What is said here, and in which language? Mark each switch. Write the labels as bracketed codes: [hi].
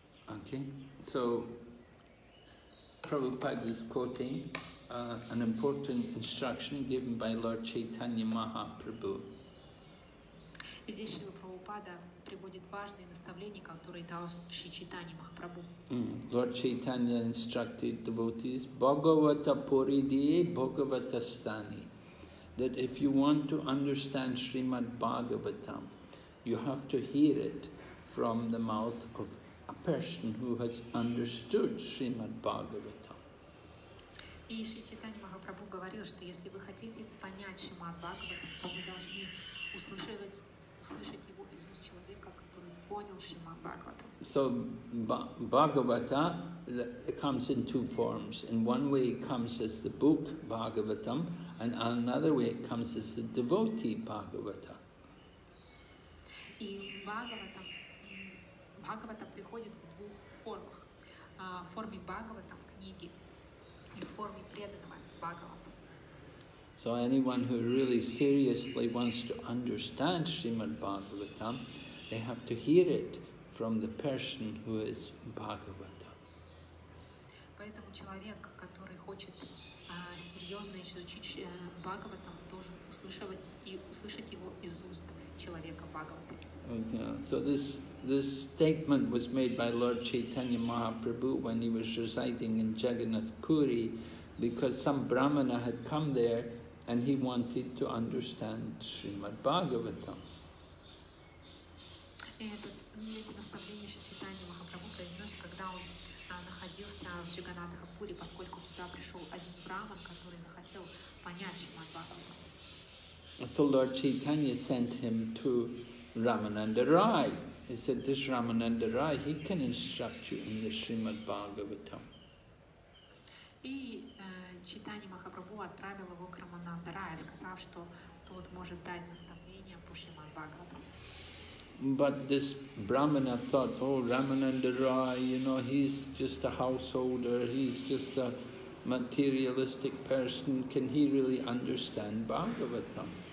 [en] Okay, so Prabhupada is quoting an important instruction given by Lord Chaitanya Mahaprabhu. [ru] Здесь Шрила Прабхупада приводит важные наставления, которые дал Шри Чайтанья Махапрабху. [en] Lord Chaitanya instructed devotees, [sa] Bhagavata Puridiye Bhagavata Stani, [en] that if you want to understand Srimad Bhagavatam, you have to hear it from the mouth of a person who has understood Srimad Bhagavatam. [ru] И Шри Чайтанья Махапрабху говорил, что если вы хотите понять Шримад Бхагаватам, то вы должны услышать его из уст человека, который понял Шримад Бхагаватам. [en] So Bhagavata it comes in two forms. In one way it comes as the book Bhagavatam, and another way it comes as the devotee Bhagavata. [ru] И Бхагавата приходит в двух формах. В форме Бхагаватам книги и в форме преданного Бхагавата. [en] So anyone who really seriously wants to understand Srimad Bhagavatam, they have to hear it from the person who is Bhagavata. [ru] Поэтому человек, который хочет серьезно изучить Бхагаватам, должен услышать его из уст человека Бхагаваты. [en] So this statement was made by Lord Chaitanya Mahaprabhu when he was residing in Jagannath Puri, because some Brahmana had come there. And he wanted to understand Srimad Bhagavatam. [ru] Этот эти наставления Шачитани Махапрабху произнес, когда он находился в Джаганнатхапуре, поскольку туда пришел один браман, который захотел понять Шримад Бхагаватам. [en] So Lord Chaitanya sent him to Ramananda Rai. He said, this Ramananda Rai, he can instruct you in the Srimad Bhagavatam. [ru] И Чайтанья Махапрабху отправил его к Рамананда Рая, сказав, что тот может дать наставление по Шримад Бхагаватам. [en] But this Brahmana thought, oh, Ramananda Rai, you know, he's just a householder, he's just a materialistic person, can he really understand Bhagavatam?